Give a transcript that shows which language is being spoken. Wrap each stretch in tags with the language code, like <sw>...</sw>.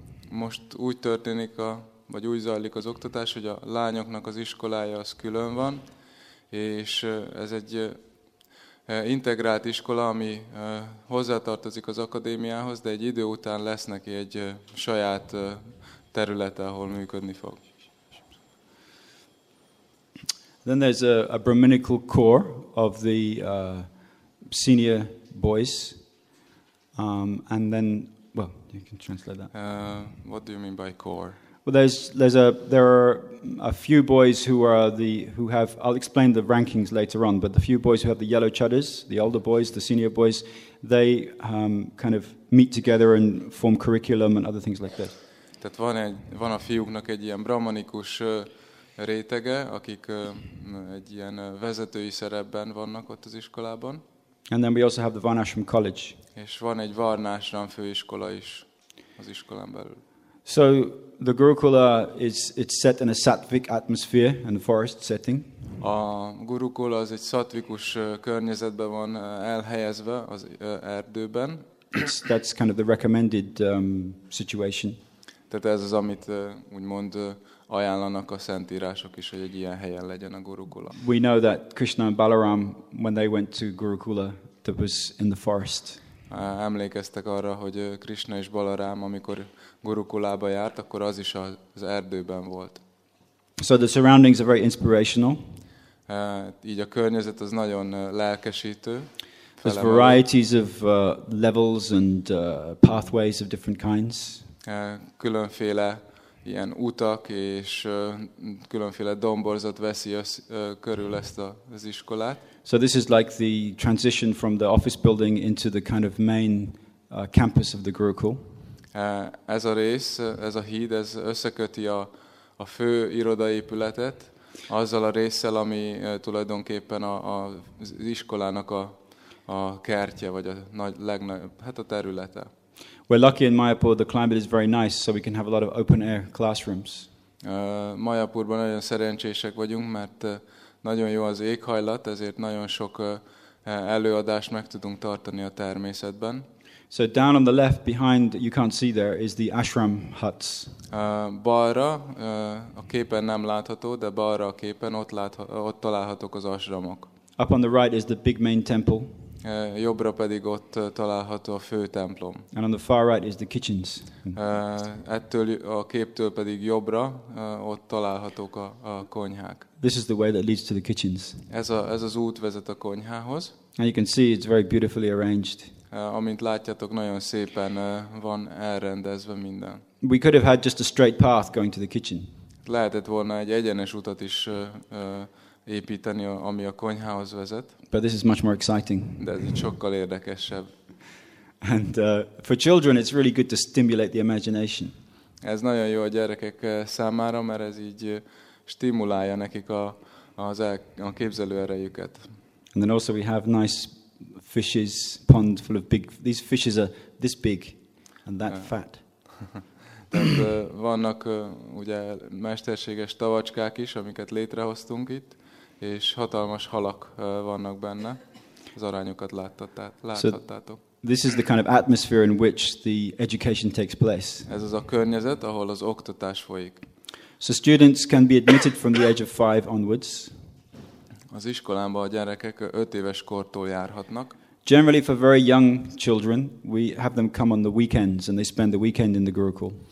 <hu>Most úgy történik vagy úgy zajlik az oktatás, hogy a lányoknak az iskolája az külön van, és ez egy integrált iskola, ami hozzátartozik az akadémiához, de egy idő után lesz neki egy saját területe, ahol működni fog.</hu> <en>Then there's a Brahminical core of the senior boys, and then, well, you can translate that. What do you mean by core? Well, there are a few boys who have. I'll explain the rankings later on. But the few boys who have the yellow chadars, the older boys, the senior boys, they kind of meet together and form curriculum and other things like this.</en> <hu>Tehát van a fiúknak egy ilyen brahmanikus rétege, akik egy ilyen vezetői szerepben vannak ott az iskolában.</hu> <en>And then we also have the Varnashram College.</en> <hu>És van egy Varnashram főiskola is az iskolán belül.</hu> <en>So the Gurukula is set in a sattvic atmosphere in the forest setting.</en> <hu>A Gurukula az egy szatvikus környezetben van elhelyezve az erdőben.</hu> <en>That's kind of the recommended situation.</en> <hu>Tehát ez az, amit úgymond ajánlanak a szentírások is, hogy egy ilyen helyen legyen a Gurukula.</hu> <en>We know that Krishna and Balaram, when they went to Gurukula, that was in the forest.</en> <hu>Emlékeztek arra, hogy Krishna és Balaram, amikor Gurukulába járt, akkor az is az erdőben volt.</hu> <en>So the surroundings are very inspirational.</en> <hu>Így a környezet az nagyon lelkesítő.</hu> <en>There's varieties of levels and pathways of different kinds.</en> <hu>Különféle ilyen utak és különféle domborzat veszi körül ezt az iskolát.</hu> <en>So this is like the transition from the office building into the kind of main campus of the Gurukul.</en> <hu>Ez a rész, ez a híd, ez összeköti a fő irodaépületet azzal a résszel, ami tulajdonképpen az iskolának a kertje, vagy a legnagyobb, hát a területe.</hu> <en>We're lucky in Mayapur, the climate is very nice, so we can have a lot of open-air classrooms.</en> <hu>Mayapurban nagyon szerencsések vagyunk, mert nagyon jó az éghajlat, ezért nagyon sok előadást meg tudunk tartani a természetben.</hu> <en>So down on the left behind, you can't see there, is the ashram huts.</en> <hu>Balra, a képen nem látható, de balra a képen ott találhatók az ashramok.</hu> <en>Up on the right is the big main temple.</en> <hu>Jobbra pedig ott található a fő templom.</hu> <en>And on the far right is the kitchens.</en> <hu>Ettől a képtől pedig jobbra ott találhatók a konyhák.</hu> <en>This is the way that leads to the kitchens.</en> <hu>Ez az út vezet a konyhához.</hu> <en>And you can see it's very beautifully arranged.</en> <hu>Amint látjátok, nagyon szépen van elrendezve minden.</hu> <en>We could have had just a straight path going to the kitchen.</en> <hu>Lehetett volna egy egyenes utat is építeni, ami a konyhához vezet.</hu> <en>But this is much more exciting.</en> <hu>De ez sokkal érdekesebb.</hu> <en>And for children, it's really good to stimulate the imagination.</en> <hu>Ez nagyon jó a gyerekek számára, mert ez így stimulálja nekik a képzelő erejüket.</hu> <en>And then also we have nice fishes, pond full of big. These fishes are this big and that fat.</en> <hu>Tehát vannak ugye mesterséges tavacskák is, amiket létrehoztunk itt, és hatalmas halak vannak benne. Az arányokat láthattátok.</hu> <en>So this is the kind of atmosphere in which the education takes place.</en> <hu>Ez az a környezet, ahol az oktatás folyik.</hu> <en>So students can be admitted from the age of 5 onwards.</en> <hu>Az iskolában a gyerekek 5 éves kortól járhatnak.</hu> <en>Generally for very young children, we have them come on the weekends and they spend the weekend in the Gurukul.</en>